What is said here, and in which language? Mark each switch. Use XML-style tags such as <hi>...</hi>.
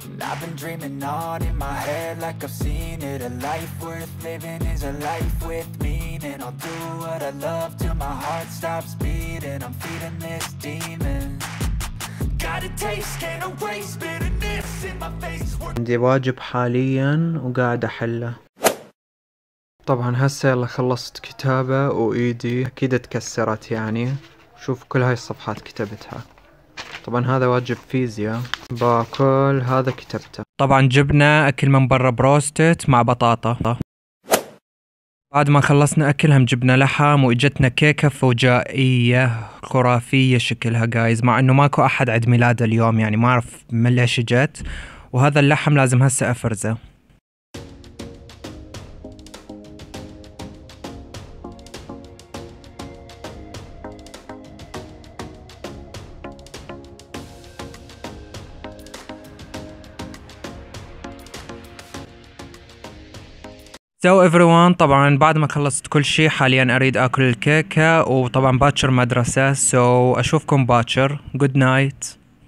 <en>I've been dreaming on in my head like I've seen it. A life worth living is a life with meaning. I'll do what I love till my heart stops beating. I'm feeding this demon. Got a taste, can't erase bitterness in my face.</en> <ar>عندي واجب حاليا وقاعد احله. طبعا هسه يلا خلصت كتابة وايدي اكيد اتكسرت، يعني شوف كل هاي الصفحات كتبتها. طبعا هذا واجب فيزياء، باكل هذا كتبته. طبعا جبنا اكل من برا بروستت مع بطاطا. بعد ما خلصنا اكل هم جبنا لحم واجتنا كيكة فجائية خرافية شكلها جايز، مع انه ماكو احد عيد ميلاده اليوم، يعني ما اعرف من ليش اجت. وهذا اللحم لازم هسه افرزه.</ar> <en>So everyone،</en> <ar>طبعا بعد ما خلصت كل شيء حاليا اريد اكل الكيكة، وطبعا باكر مدرسة. So اشوفكم باكر،</ar> <en>good night.</en>